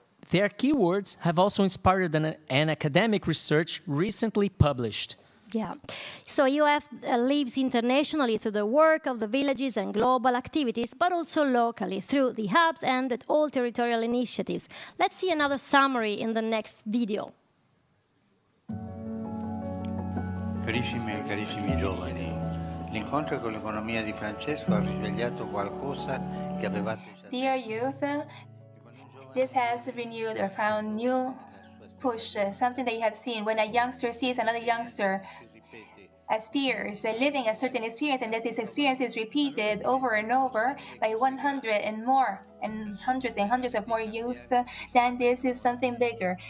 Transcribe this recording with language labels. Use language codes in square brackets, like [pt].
[en] Their keywords have also inspired an academic research recently published. Yeah. So EoF lives internationally through the work of the villages and global activities, but also locally through the hubs and all territorial initiatives. Let's see another summary in the next video. [it] Carissimi, carissimi giovani, l'incontro con l'economia di Francesco ha risvegliato qualcosa che avevate. [en] Dear youth, this has renewed or found new push, something that you have seen when a youngster sees another youngster aspires, living a certain experience, and that this experience is repeated over and over by 100 and more, and hundreds of more youth, then this is something bigger.